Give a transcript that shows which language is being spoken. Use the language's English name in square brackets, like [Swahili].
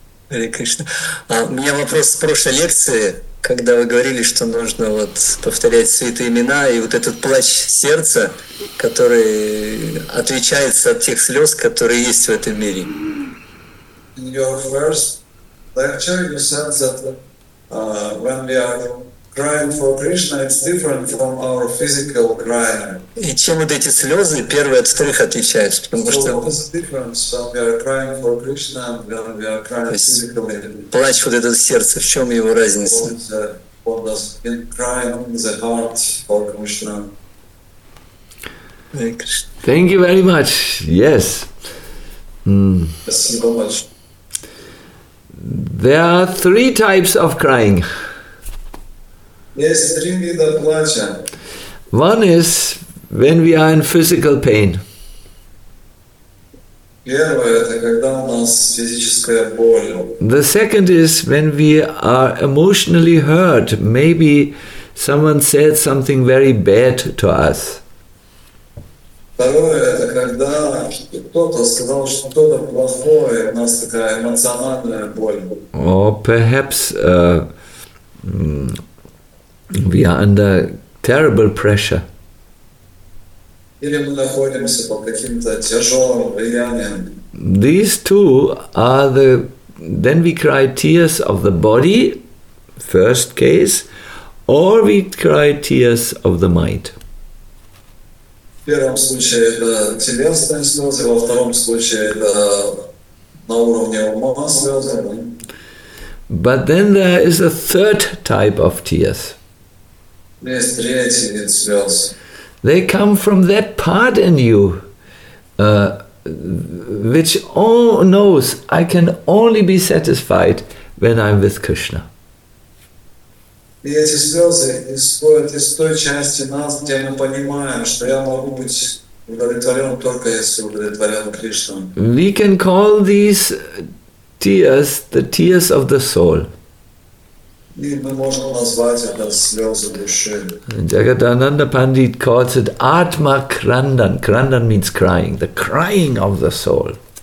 [Russian] Хари Кришна. А у меня вопрос с прошлой лекции, когда вы говорили, что нужно вот повторять святые имена, и вот этот плач сердца, который отличается от тех слез, которые есть в этом мире. [English] In your first lecture, you said that when we are crying for Krishna, it's different from our physical crying. [Russian] И чем вот эти слезы первые от вторых отличаются? Потому [English] so [Russian] что [English] what is the difference when we are crying for Krishna and when we are crying physically? [Russian] Плач вот этого сердца, в чем его разница? [English] What does in crying in the heart for Krishna? Thank you very much. Yes. [Russian] Спасибо большое. [English] There are three types of crying. Yes, three vidha placha. One is when we are in physical pain. [Russian] Первое это когда у нас физическая боль. [English] The second is when we are emotionally hurt. Maybe someone said something very bad to us. [Russian] Второе это когда кто-то сказал что-то плохое, у нас такая эмоциональная боль. [English] Or perhaps we are under terrible pressure. [Russian] Или мы находимся под каким-то тяжелым влиянием. [English] These two are the then we cry tears of the body, first case, or we cry tears of the mind. [Russian] В первом случае это телесные слезы, во втором случае это на уровне ума слезы. [English] But then there is a third type of tears. [Russian] Есть третий вид слез. [English] They come from that part in you, which all knows I can only be satisfied when I'm with Krishna. [Russian] И эти слезы исходят из той части нас, где мы понимаем, что я могу быть удовлетворен только если удовлетворен Кришной. [English] We can call these tears the tears of the soul. [Russian] И мы можем назвать это слезы души. [English] Jagadananda Pandit calls it Atma Krandan. Krandan means crying, the crying of the soul.